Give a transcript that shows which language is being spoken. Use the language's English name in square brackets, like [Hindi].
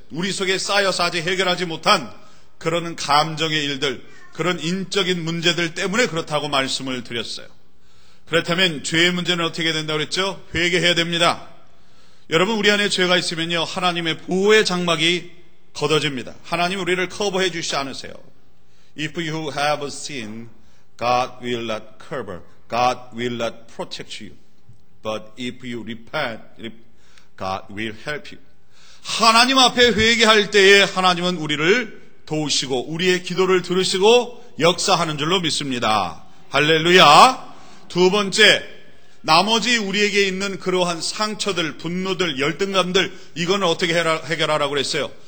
[Korean] 우리 속에 쌓여서 아직 해결하지 못한 그런 감정의 일들, 그런 인적인 문제들 때문에 그렇다고 말씀을 드렸어요. 그렇다면 죄의 문제는 어떻게 된다고 그랬죠? 회개해야 됩니다. 여러분 우리 안에 죄가 있으면요 하나님의 보호의 장막이 걷어집니다. 하나님 우리를 커버해 주시지 않으세요. [English] If you have a sin, God will not cover, God will not protect you. But if you repent, God will help you. [Korean] 하나님 앞에 회개할 때에 하나님은 우리를 도우시고 우리의 기도를 들으시고 역사하는 줄로 믿습니다. 할렐루야. 두 번째, 나머지 우리에게 있는 그러한 상처들, 분노들, 열등감들 이거는 어떻게 해결하라고 그랬어요?